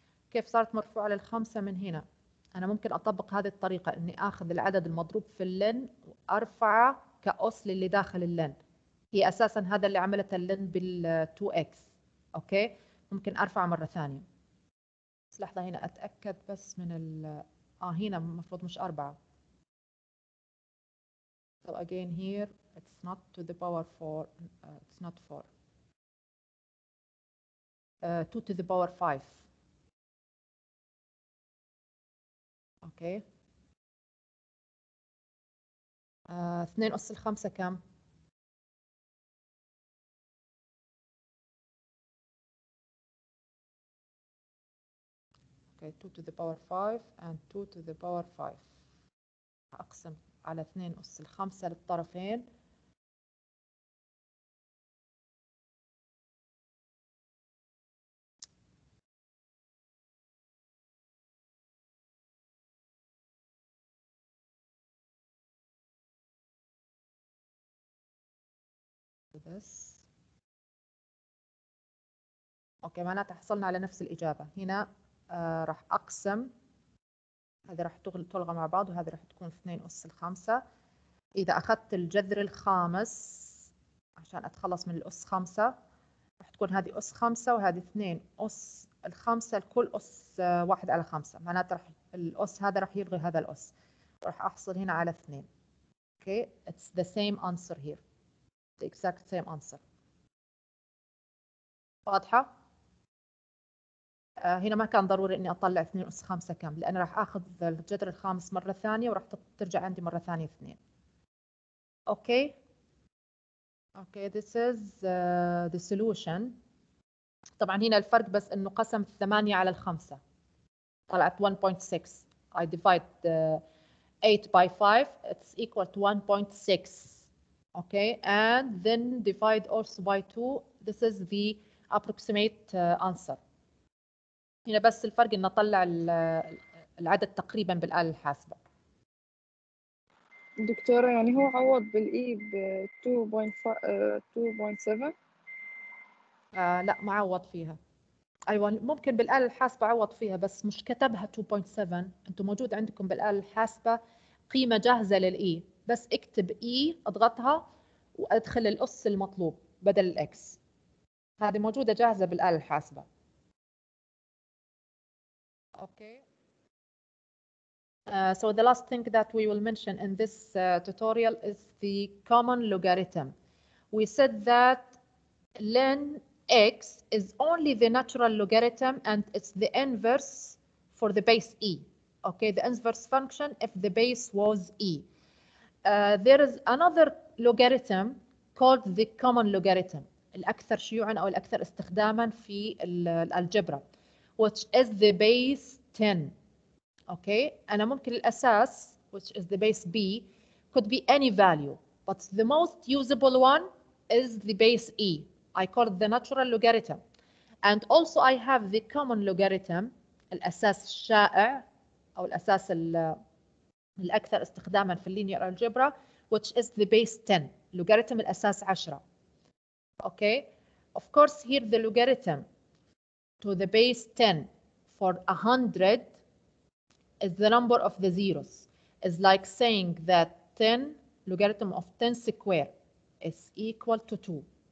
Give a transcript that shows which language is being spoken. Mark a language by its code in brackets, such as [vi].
[ar] كيف صارت مرفوعة للخمسة من هنا؟ أنا ممكن أطبق هذه الطريقة إني أخذ العدد المضروب في اللن وأرفعه كأس اللي داخل اللن. هي أساساً هذا اللي عملته اللن بال 2x. أوكي؟ ممكن أرفعه مرة ثانية. بس لحظة هنا أتأكد بس من ال هنا المفروض مش أربعة. [en] So again here it's not to the power 4, it's not 4. 2 to the power 5. Okay. 2 [ar] أس الخمسة كم؟ [en] 2 to the power 5 and 2 to the power 5. [ar] أقسم على 2 أس الخمسة للطرفين. أوكي معناتها حصلنا على نفس الإجابة. هنا راح أقسم هذه راح تلغى مع بعض وهذه راح تكون 2 أس الخمسة. إذا أخذت الجذر الخامس عشان أتخلص من الأس خمسة راح تكون هذه أس خمسة وهذه 2 أس الخمسة الكل أس 1 على 5 معناتها راح الأس هذا راح يلغي هذا الأس راح أحصل هنا على 2. [en] Okay it's the same answer here. The exact same answer. [ar] واضحة؟ هنا ما كان ضروري إني أطلع 2 أس 5 كم لأن راح أخذ الجذر الخامس مرة ثانية وراح ترجع عندي مرة ثانية 2. [en] Okay? Okay this is the solution. [ar] طبعا هنا الفرق بس إنه قسم 8 على 5 طلعت 1.6. [en] I divide 8 by 5 it's equal to 1.6. Okay, and then divide also by 2. This is the approximate answer. [ar] هنا بس الفرق إن نطلع العدد تقريبا بالآلة الحاسبة. دكتورة يعني هو عوض بالإي ب 2.7؟ لا ما عوض فيها. أيوة ممكن بالآلة الحاسبة عوض فيها بس مش كتبها 2.7. أنتم موجود عندكم بالآلة الحاسبة قيمة جاهزة للإي بس اكتب إي اضغطها وادخل الأس المطلوب بدل الإكس. هذه موجودة جاهزة بالآلة الحاسبة. [en] Okay. So the last thing that we will mention in this tutorial is the common logarithm. We said that ln x is only the natural logarithm and it's the inverse for the base e. Okay, the inverse function if the base was e. There is another logarithm called the common logarithm. [ar] الأكثر شيوعا أو الأكثر استخداما في الألجبرا. [en] Which is the base 10. Okay, [ar] أنا ممكن الأساس [en] which is the base B could be any value. But the most usable one is the base E. I call it the natural logarithm. And also I have the common logarithm. [ar] الأساس الشائع أو الأساس الأكثر استخداما في [en] linear algebra which is the base 10. Logarithm الأساس 10. Okay, of course here the logarithm to the base 10 for 100 is the number of the zeros. It's like saying that 10 logarithm of 10 square is equal to 2.